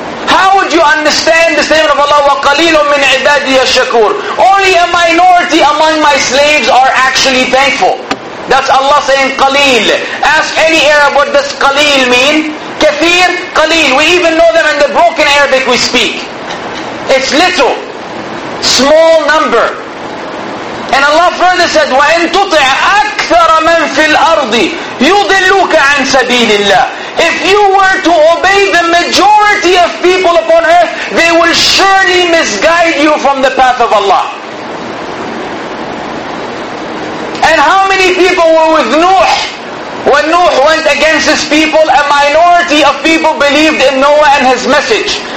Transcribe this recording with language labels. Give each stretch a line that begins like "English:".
English: How would you understand the statement of Allah,
Arabic: وَقَلِيلٌ مِّنْ عِبَادِيَ الشَّكُورِ?
English: Only a minority among my slaves are actually thankful. That's Allah saying, قَلِيل. Ask any Arab what does قَلِيل mean.
Arabic: كَثِير, قَلِيل.
English: We even know them in the broken Arabic we speak. It's little. Small number. And Allah further said,
Arabic: وَإِن تُطِعْ أَكْثَرَ مَنْ فِي الْأَرْضِ يُضِلُّكَ عَنْ سَبِيلِ اللَّهِ.
English: If you were to obey the majority of people upon earth, they will surely misguide you from the path of Allah. And how many people were with Nuh when Nuh went against his people? A minority of people believed in Noah and his message.